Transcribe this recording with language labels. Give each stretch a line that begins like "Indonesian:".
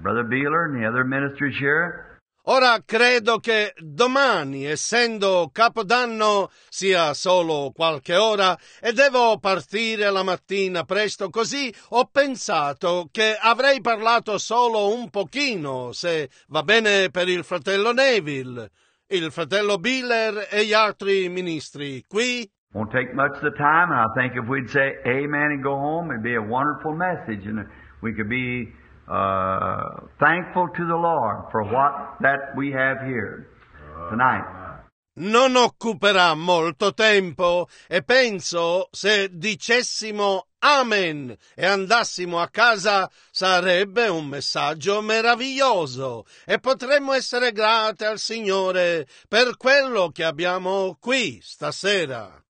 English: Brother Beeler and the other ministers here.
Italian: Ora credo che domani, essendo Capodanno, sia solo qualche ora e devo partire la mattina presto, così ho pensato che avrei parlato solo un pochino, se va bene per il fratello Neville, il fratello Beeler e gli altri ministri qui.
English: Won't take much of the time, and I think if we'd say amen and go home, it'd be a wonderful message, and we could be thankful to the Lord for what that we have here tonight.
Italian: Non occuperà molto tempo, e penso se dicessimo amen e andassimo a casa sarebbe un messaggio meraviglioso, e potremmo essere grati al Signore per quello che abbiamo qui stasera.